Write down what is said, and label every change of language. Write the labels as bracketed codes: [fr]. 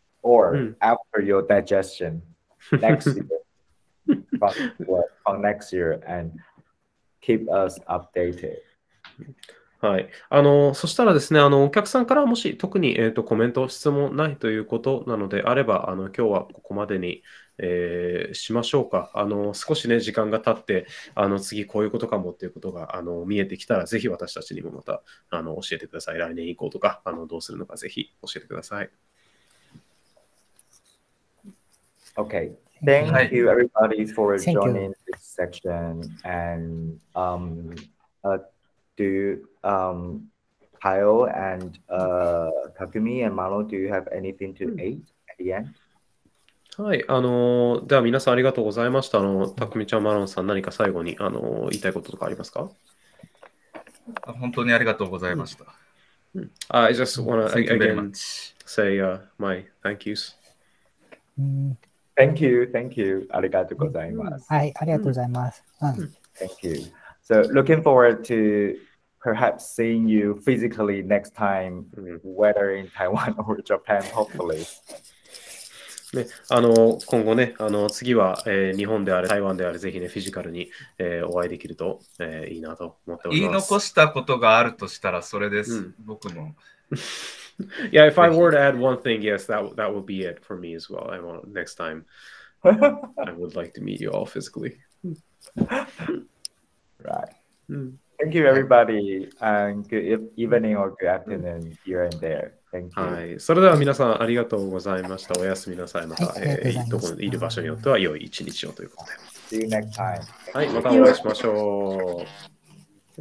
[en] Or after your digestion next year, from next year, and keep us updated. [ja] はい。あの、そしたらですね、あの、お客さんからもし特に、コメント、質問ないということなのであれば、あの、今日はここまでに、しましょうか。あの、少しね、時間が経って、あの、次こういうことかもっていうことが、あの、見えてきたら、ぜひ私たちにもまた、あの、教えてください。来年以降とか、あの、どうするのか、ぜひ教えてください。 [en] Okay, thank you everybody for joining this section. And Kyle and Takumi and Malo, do you have anything to add at the end? [ja] はい、あの、では皆さんありがとうございました。あの、Takumi ちゃん、Malo さん、何か最後にあの言いたいこととかありますか？本当にありがとうございました。 [en] I just want to again say my thank yous. Thank you, thank you. [ja] ありがとうございます。はい、ありがとうございます。 [en] Thank you. So, looking forward to perhaps seeing you physically next time, whether in Taiwan or Japan, hopefully. [ja] ね、あの、今後ね、あの、次は、日本であれ、台湾であれ、ぜひね、フィジカルに、お会いできると、いいなと思っております。言い残したことがあるとしたら、それです。うん、僕も。 [en] Yeah, if I were to add one thing, yes, that would be it for me as well. I want next time, I would like to meet you all physically. Right. Thank you, everybody, and good evening or good afternoon here and there. Thank you. [ja] はい、それでは皆さんありがとうございました。おやすみなさい。また、どこいる場所によっては良い一日をということで。 [en] See you next time. [ja] はい、またお会いしましょう。